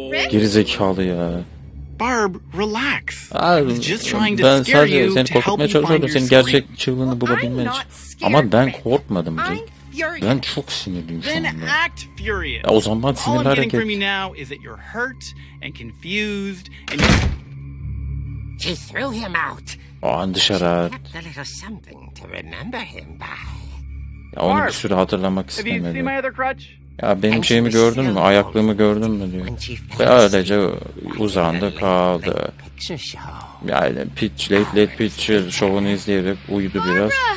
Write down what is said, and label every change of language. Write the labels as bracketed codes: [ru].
[tr] Gerizekalı ya. [en] Barb, relax. [tr] Ben sadece seni korkutmaya çalışıyordum. Senin gerçek çığlığını bulabilmen için. Ama ben korkmadım. Ben çok sinirliyim şu anda. Ya o zaman sinirli hareket. [en] All I'm getting from you now is that you're hurt and confused and you... She threw him out. [tr] O an dışarı at. [en] She kept a little something to remember him by. [tr] Onu bir süre hatırlamak istemedi. Ya benim şeyimi gördün mü? Ayaklığımı gördün mü diyor. Ve öylece uzandı kaldı. Yani late picture show'unu izleyerek uyudu biraz.